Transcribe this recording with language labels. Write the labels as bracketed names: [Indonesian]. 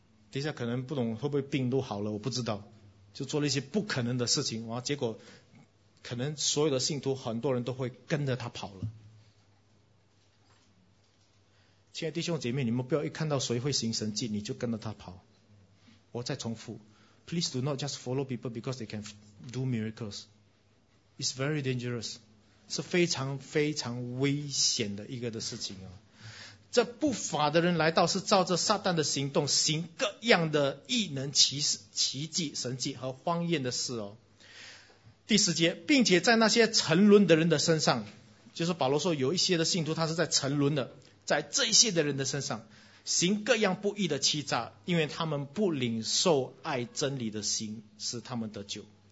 [Chinese] 等一下可能不懂会不会病都好了，我不知道，就做了一些不可能的事情，哇！结果可能所有的信徒很多人都会跟着他跑了。亲爱的弟兄姐妹，你们不要一看到谁会行神迹你就跟着他跑。我再重复， [English] Please do not just follow people because they can do miracles. It's very dangerous. [Chinese] 是非常非常危险的一个的事情哦。这不法的人来到是照着撒旦的行动行各样的异能奇迹神迹和荒宴的事哦。第十节，并且在那些沉沦的人的身上，就是保罗说有一些的信徒他是在沉沦的，在这些的人的身上行各样不义的欺诈，因为他们不领受爱真理的心使他们得救。